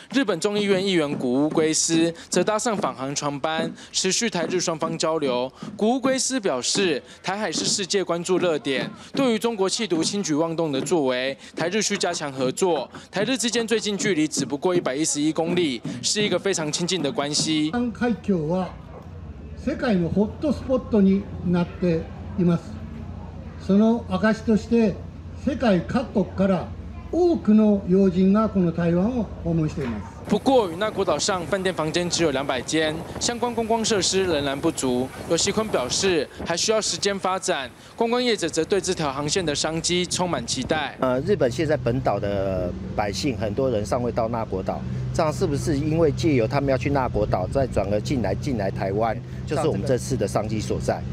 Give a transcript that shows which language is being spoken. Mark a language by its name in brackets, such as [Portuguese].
[Chinese] 日本众议院议员谷物圭司则搭上返航船班，持续台日双方交流。谷物圭司表示，台海是世界关注热点，对于中国企图轻举妄动的作为，台日需加强合作。台日之间最近距离只不过111公里，是一个非常亲近的关系。 [Japanese] 南海峡は世界のホットスポットになっています。その証として世界各国から多くの要人がこの台湾を訪問しています。 [Chinese] 不过与那国岛上饭店房间只有200间，相关观光设施仍然不足。游锡堃表示，还需要时间发展。观光业者则对这条航线的商机充满期待。日本现在本岛的百姓很多人尚未到那国岛，这样是不是因为借由他们要去那国岛，再转而进来台湾，就是我们这次的商机所在？